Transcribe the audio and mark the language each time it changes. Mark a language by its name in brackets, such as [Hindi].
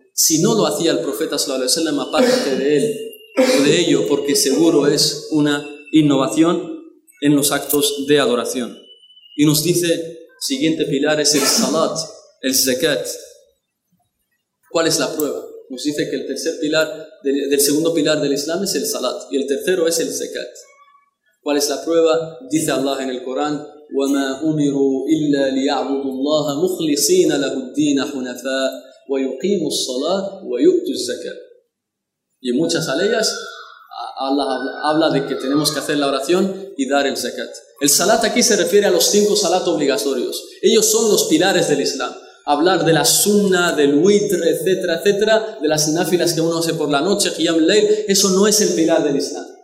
[Spanish] Si no lo hacía el profeta sallallahu alaihi wasallam, apártate de él o de ello, porque seguro es una innovación en los actos de adoración. Y nos dice, siguiente pilar es el salat, el zakat. ¿Cuál es la prueba? Nos dice que el tercer pilar del segundo pilar del Islam es el salat y el tercero es el zakat. ¿Cuál es la prueba? Dice Allah en el Corán, [Arabic] وَمَا أُمِرُوا إِلَّا لِيَعْبُدُ اللَّهَ مُخْلِصِينَ لَهُ الدِّينَ حُنَفَاءَ وَيُقِيمُ الصَّلَاةَ وَيُؤْتُ الزَّكَاةَ. [Spanish] Y en muchas aleyas Allah habla de que tenemos que hacer la oración y dar el zakat. El salat aquí se refiere a los cinco salat obligatorios. Ellos son los pilares del Islam. Hablar de la sunna, del witr, etcétera, etcétera, de las nafilas que uno hace por la noche, qiyam layl, eso no es el pilar del Islam.